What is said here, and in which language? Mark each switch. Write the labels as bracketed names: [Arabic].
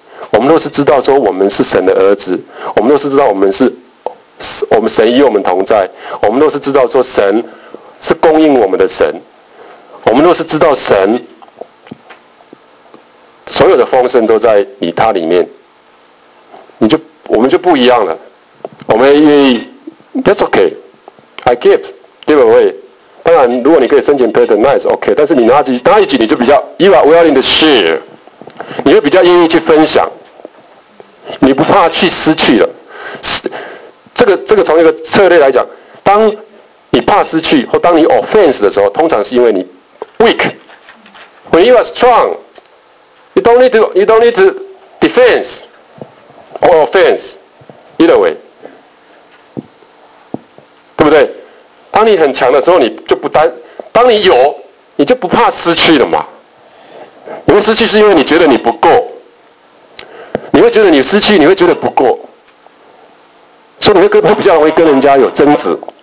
[Chinese] 我们若是知道说我们是神的儿子，我们若是知道我们神与我们同在，我们若是知道说神是供应我们的神，我们若是知道神所有的丰盛都在你他里面，我们就不一样了。我们愿意 [English] ，That's okay, I give, [Chinese] 对不对？当然，如果你可以申请 patent， 那也是 okay。但是你拿一集，你就比较 [English] you are willing to share， [Chinese] 你会比较愿意去分享，你不怕去失去了。这个从一个策略来讲，当你怕失去或当你 offense 的时候，通常是因为你 weak。 [English] When you are strong, you don't need to defense or offense either way。 [Chinese] 对不对？当你很强的时候，你就不担；当你有，你就不怕失去了嘛。你会失去是因为你觉得你不够，你会觉得你失去，你会觉得不够，所以你会比较容易跟人家有争执。